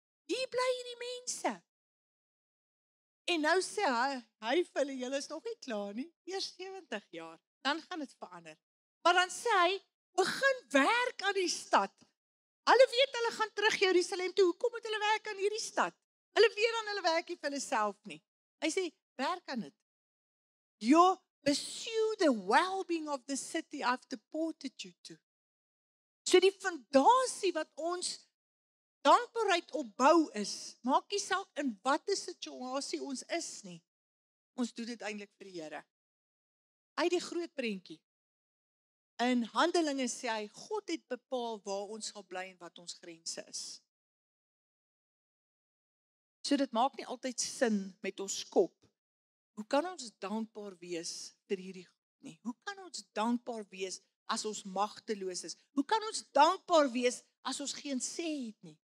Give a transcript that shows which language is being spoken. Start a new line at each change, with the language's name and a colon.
Afrikaans: Hier bly hierdie mense. En nou sê hy vir hulle, julle is nog nie klaar nie, eers 70 jaar, dan gaan dit verander. Maar dan sê hy, begin werk aan die stad. Hulle weet hulle gaan terug Jerusalem toe, hoekom moet hulle werk aan hierdie stad? Hulle weet dan hulle werk nie vir hulle self nie. Hy sê, werk aan dit. Your
English: pursue the well-being of the city I've deported you to.
Afrikaans: So die fondasie wat ons dankbaarheid opbou is, maak nie saak in watter situasie ons is nie. Ons doen dit eintlik vir die Here. Uit die groot prentjie. In Handelinge sê hy, God het bepaal waar ons sal bly en wat ons grense is. So dit maak nie altyd sin met ons kop. Hoe kan ons dankbaar wees vir hierdie God nie? Hoe kan ons dankbaar wees as ons magteloos is? Hoe kan ons dankbaar wees as ons geen sê het nie?